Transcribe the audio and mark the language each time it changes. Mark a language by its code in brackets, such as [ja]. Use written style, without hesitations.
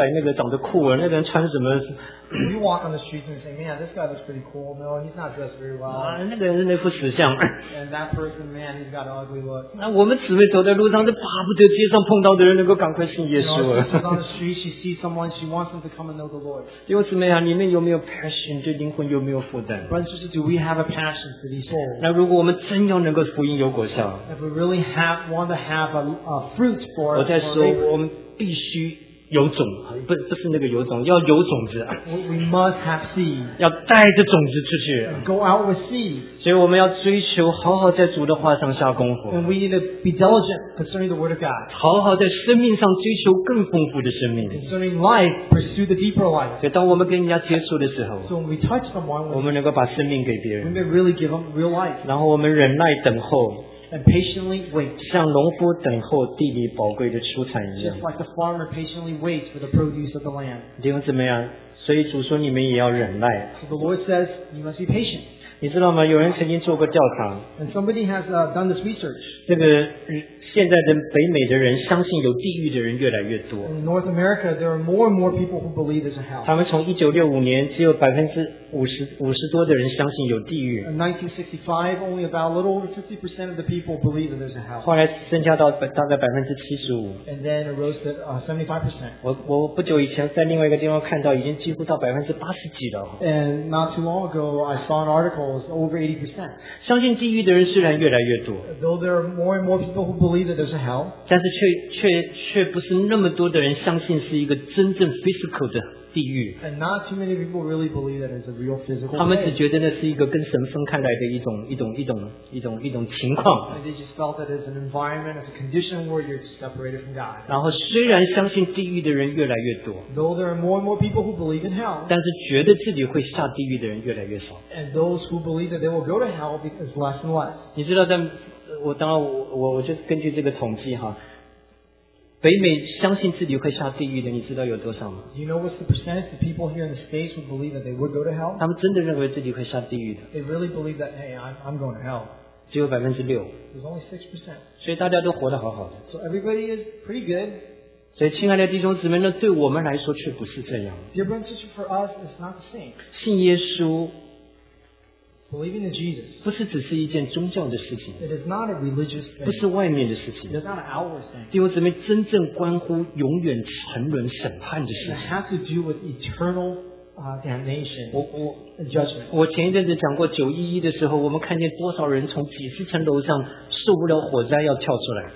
[zh] 那我们在马路上走路，在那评头论足，这个人长得帅，那个人长得酷啊，那个人穿什么？ [en] You walk on the street and say, man, this guy looks pretty cool. No, he's not dressed very well. [zh] 那个人是那副死相。 [en] And that person, man, he's got an ugly look. [zh] 那我们姊妹走在路上，就巴不得街上碰到的人能够赶快信耶稣啊。 [en] On the street, she sees someone, she wants them to come and know the Lord. [zh] 弟兄姊妹啊，你们有没有 passion? 对灵魂有没有负担？ [en] Brothers, do we have a passion for these souls? [zh] 那如果我们真要能够福音有果效， [en] if we really want to have a fruit for our labor, [zh] 我在说我们必须 有种，不是那个有种，要有种子。 [en] We must have seed. [zh] 要带着种子出去。 [en] Go out with seed. [zh] 所以我们要追求好好在主的话上下功夫。 [en] And we need to be diligent concerning the word of God. [zh] 好好在生命上追求更丰富的生命。 [en] Concerning life, pursue the deeper life. [zh] 所以当我们跟人家接触的时候， [en] So when we touch someone, [zh] 我们能够把生命给别人。 [en] We may really give them real life. [zh] 然后我们忍耐等候， [en] and patiently wait, [zh] 像农夫等候地里宝贵的出产一样， [en] just like the farmer patiently waits for the produce of the land. [zh] 弟兄姊妹啊， 所以主说你们也要忍耐。 [en] So the Lord says you must be patient. [zh] 你知道吗？ 有人曾经做过调查， [en] and somebody has done this research. [zh] 这个现在的北美的人相信有地狱的人越来越多。 [en] In North America, there are more and more people who believe there's a hell. [zh] 他们从1965年只有50%多的人相信有地狱。 [en] In 1965, only about a little over 50% of the people believe that there's a hell. [zh] 后来增加到大概75%。 [en] And then it rose to 75%. [zh] 我不久以前在另外一个地方看到已经几乎到80%几了。 [en] And not too long ago, I saw an article that was over 80%. [zh] 相信地狱的人虽然越来越多。 [en] Though there are more and more people who believe that there's a hell. [zh] 但是却不是那么多的人相信是一个真正 physical 的地狱。 [en] And not too many people really believe that it's a real physical. [zh] 他们只觉得那是一个跟神分开来的一种情况。 [en] And they just felt that it's an environment, it's a condition where you're separated from God. [zh] 然后虽然相信地狱的人越来越多。 [en] Though there are more and more people who believe in hell. [zh] 但是觉得自己会下地狱的人越来越少。 [en] And those who believe that they will go to hell because less and less. [zh] 你知道在我当然 我就根据这个统计哈，北美相信自己会下地狱的你知道有多少吗？ [en] You know what's the percentage of people here in the States who believe that they would go to hell? [zh] 他们真的认为自己会下地狱的。 [en] They really believe that, hey, I'm going to hell. [zh] 只有 6%。 [en] There's only 6%. [zh] 所以大家都活得好好的。 [en] So everybody is pretty good. [zh] 所以亲爱的弟兄姊妹，那对我们来说却不是这样。 [en] Dear brothers, for us, it's not the same. [zh] 信耶稣 [en] Believing in Jesus, [zh] 不是只是一件宗教的事情。 [en] It is not a religious thing. [zh] 不是外面的事情。 [en] It is not an outward thing. [zh] 弟兄姊妹，真正关乎永远沉沦审判的事情。 [en] It has to do with eternal damnation. [zh] 我 [en] judgment. [zh] 我前一阵子讲过911的时候，我们看见多少人从几十层楼上受不了火灾要跳出来。